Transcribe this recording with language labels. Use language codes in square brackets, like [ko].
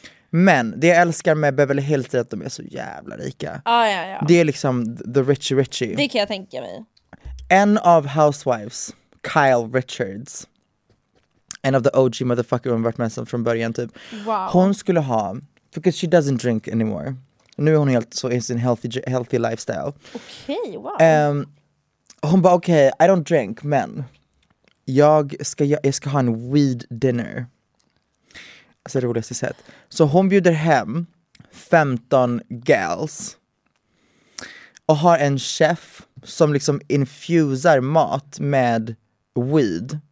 [sv] Men det jag älskar med Beverly Hills är att de är så jävla rika. Ah, ja, ja. Det är liksom [en] the richy richy. [sv] Det kan jag tänka mig. En av housewives, Kyle Richards, en av [en] the OG motherfucker [sv] hon varit med sen från början typ. Wow. Hon skulle ha, [en] because she doesn't drink anymore. [sv] Nu är hon helt så in sin [en] healthy lifestyle. [sv] Okej, okay, wow. Hon bara okej, [en] okay, I don't drink, [sv] men jag ska ha en [en] weed dinner. [sv] Alltså det roligaste sätt. Så hon bjuder hem 15 gals och har en chef som liksom infusar mat med weed.